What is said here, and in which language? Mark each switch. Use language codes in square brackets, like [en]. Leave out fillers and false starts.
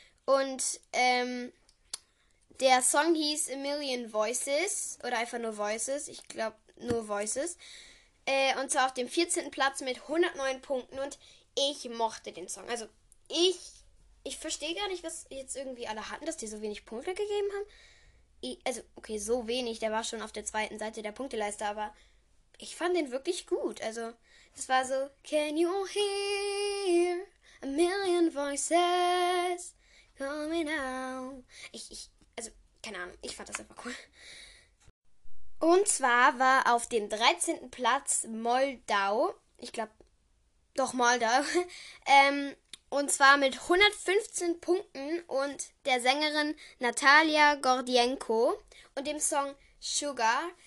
[de] Und der Song hieß A Million Voices oder einfach nur Voices, ich glaube nur Voices. Und zwar auf dem 14. Platz mit 109 Punkten und ich mochte den Song. Also ich verstehe gar nicht, was jetzt irgendwie alle hatten, dass die so wenig Punkte gegeben haben. Also, okay, so wenig, der war schon auf der zweiten Seite der Punkteleiste, aber ich fand den wirklich gut. Also, das war so, [en] Can you hear a million voices? Call me now. [de] Also, keine Ahnung, ich fand das einfach cool. Und zwar war auf dem 13. Platz Moldau. Ich glaube, doch Moldau. Und zwar mit 115 Punkten und der Sängerin Natalia Gordienko und dem Song Sugar.